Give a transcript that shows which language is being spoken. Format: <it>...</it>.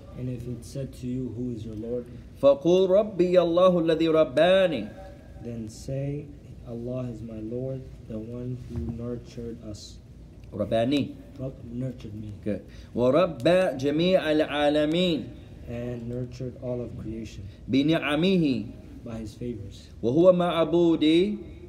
<en>and if it said to you who is your lord</en> <ar>فقول ربي الله الذي رباني</ar> <en>then say Allah is my lord the one who nurtured us</en> <ar>رباني</ar> <en>nurtured me good</en> <ar>ورب جميع العالمين</ar> <en>and nurtured all of creation</en> <ar>بنعمه</ar> <en>by his favors</en> <ar>وهو معبودي</ar>